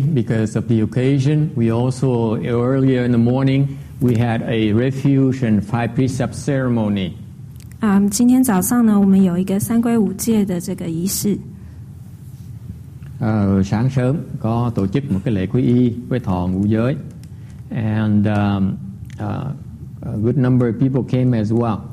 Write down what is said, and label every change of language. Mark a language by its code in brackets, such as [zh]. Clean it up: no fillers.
[en] because of the occasion, we also, earlier in the morning, we had a refuge and five precepts ceremony. [zh] 今天早上呢,我们有一个三规五戒的这个仪式。 [vi] Sáng sớm, có tổ chức một cái lễ quy y với thọ ngũ giới. [en] And a good number of people came as well.